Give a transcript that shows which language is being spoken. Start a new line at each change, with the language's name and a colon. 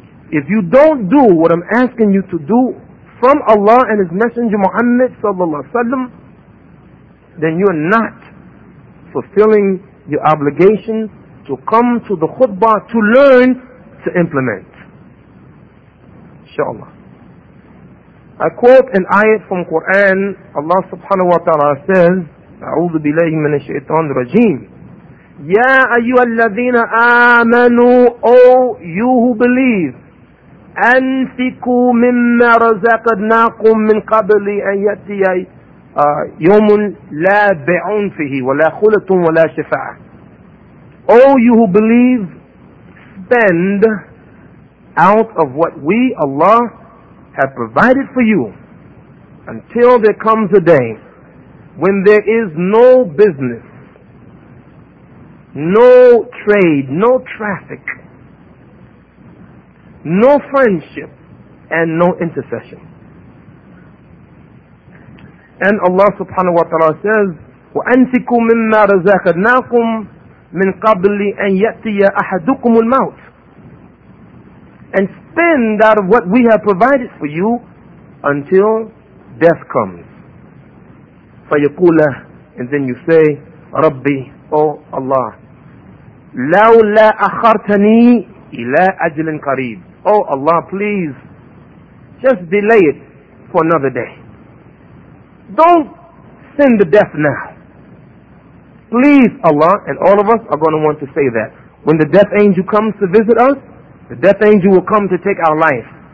English: If you don't do what I'm asking you to do from Allah and His Messenger Muhammad sallallahu alaihi wasallam, then you're not fulfilling your obligation to come to the khutbah to learn to implement. Inshallah. I quote an ayat from Quran. Allah subhanahu wa ta'ala says,
Arabic: أعوذ بالله من الشيطان الرجيم. يا أيها الذين آمنوا,
English: O you who believe,
Arabic: أنفقوا مما رزقناكم من قبل أن يأتي يوم لا بيع فيه ولا خلة ولا شفاعة.
English: All you who believe, spend out of what we, Allah, have provided for you until there comes a day when there is no business, no trade, no traffic, no friendship, and no intercession. And Allah subhanahu wa ta'ala says,
Arabic: وَأَنْفِكُوا مِمَّا رَزَقَنَاكُمْ مِنْ قَبْلِ أَنْ يَأْتِيَ أَحَدُكُمُ الْمَوْتِ.
English: And spend out of what we have provided for you until death comes.
Arabic: فَيَقُولَ,
English: and then you say,
Arabic: رَبِّي,
English: oh Allah,
Arabic: لَوْ لَا أَخَرْتَنِي إِلَىٰ أَجْلٍ قَرِيبٍ.
English: Oh Allah, please, just delay it for another day. Don't send the death now. Please, Allah, and all of us are going to want to say that. When the death angel comes to visit us, the death angel will come to take our life.